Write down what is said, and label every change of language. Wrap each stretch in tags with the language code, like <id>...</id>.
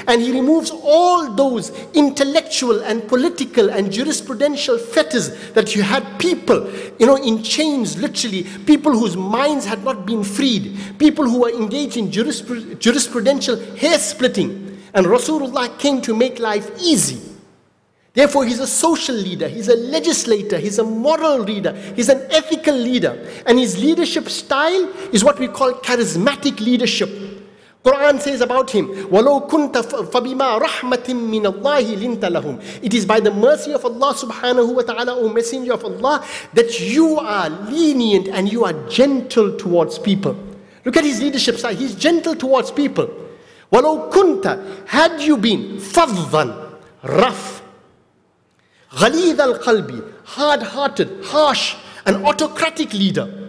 <en>And he removes all those intellectual and political and jurisprudential fetters that you had people, you know, in chains, literally, people whose minds had not been freed, people who were engaged in jurisprudential hair-splitting. And Rasulullah came to make life easy. Therefore, he's a social leader, he's a legislator, he's a moral leader, he's an ethical leader. And his leadership style is what we call charismatic leadership. Quran says about him,</en> <ar>وَلَوْ كُنْتَ فَبِمَا رَحْمَةٍ مِّنَ اللَّهِ لِنْتَ لَهُمْ.</ar> <en>It is by the mercy of Allah subhanahu wa ta'ala, O Messenger of Allah, that you are lenient and you are gentle towards people. Look at his leadership style, he's gentle towards people.</en> <ar>وَلَوْ كُنْتَ,</ar> <en>had you been,</en> <ar>فَضًّا,</ar> <en>rough,</en> <ar>غليظ القلب,</ar> <en>hard-hearted, harsh, an autocratic leader.</en>